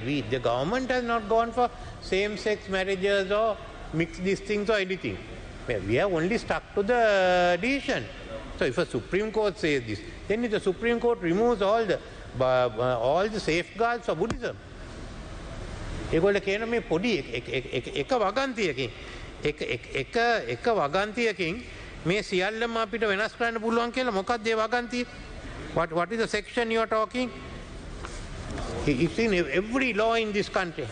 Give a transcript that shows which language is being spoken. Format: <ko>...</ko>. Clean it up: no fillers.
<en>The government has not gone for same sex marriages or mixed these things or anything. We have only stuck to the decision. So if a Supreme Court says this, then if the Supreme Court removes all the safeguards of Buddhism.</en> <si>ඒගොල්ල කියන මේ පොඩි එක වගන්තියකින් එක වගන්තියකින් මේ සියල්ලම අපිට වෙනස් කරන්න පුළුවන් කියලා මොකක්ද ඒ වගන්තිය?</si> <en>What is the section you are talking? It's in every law in this country.</en>